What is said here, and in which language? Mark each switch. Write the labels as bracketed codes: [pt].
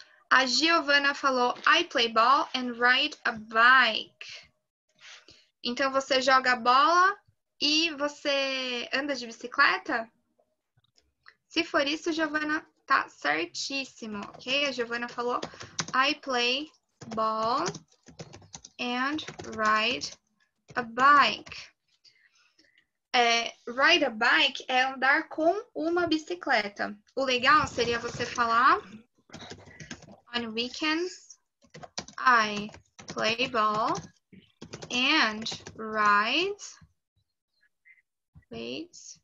[pt] A Giovana falou, [en] I play ball and ride a bike. [pt] Então, você joga bola e você anda de bicicleta? Se for isso, Giovana, tá certíssimo, ok? A Giovana falou, [en] I play ball and ride a bike. [pt] É, [en] ride a bike [pt] é andar com uma bicicleta. O legal seria você falar... [en] On weekends, I play ball and ride. Wait.